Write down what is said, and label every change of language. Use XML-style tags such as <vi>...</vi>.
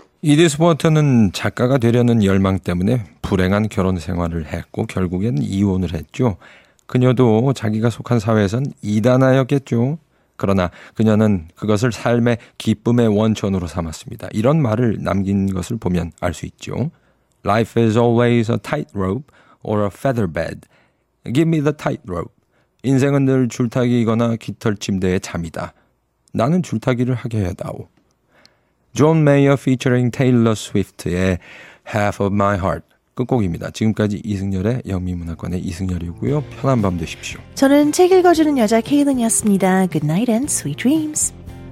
<ko>이디스 버튼은 작가가 되려는 열망 때문에 불행한 결혼 생활을 했고 결국엔 이혼을 했죠. 그녀도 자기가 속한 사회에선 이단아였겠죠. 그러나 그녀는 그것을 삶의 기쁨의 원천으로 삼았습니다. 이런 말을 남긴 것을 보면 알 수 있죠.</ko> <en>Life is always a tightrope or a feather bed. Give me the tightrope.</en> <ko>인생은 늘 줄타기이거나 깃털 침대의 잠이다. 나는 줄타기를 하게 해다오. John Mayer featuring Taylor Swift의 Half of My Heart 끝곡입니다. 지금까지 이승열의 영미문화권의 이승열이고요. 편한 밤 되십시오. 저는 책 읽어주는 여자 케이든이었습니다.</ko> <en>Good night and sweet dreams.</en>